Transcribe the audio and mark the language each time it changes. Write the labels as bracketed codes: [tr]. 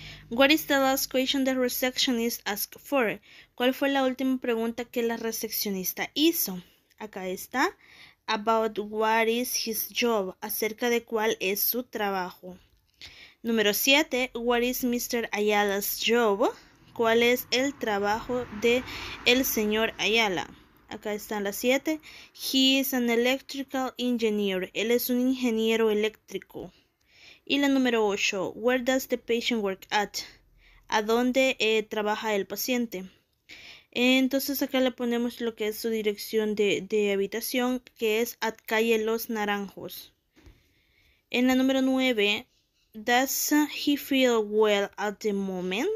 [en] What is the last question the receptionist asked for? [es] ¿Cuál fue la última pregunta que la recepcionista hizo? Acá está. [en] About what is his job? [es] Acerca de cuál es su trabajo. Número 7. [en] What is Mr. Ayala's job? [es] ¿Cuál es el trabajo de el señor Ayala? Acá están las 7. [en] He is an electrical engineer. [es] Él es un ingeniero eléctrico. Y la número 8, [en] Where does the patient work at? [es] ¿A dónde trabaja el paciente? Entonces acá le ponemos lo que es su dirección de habitación, que es at calle Los Naranjos. En la número 9, [en] does he feel well at the moment?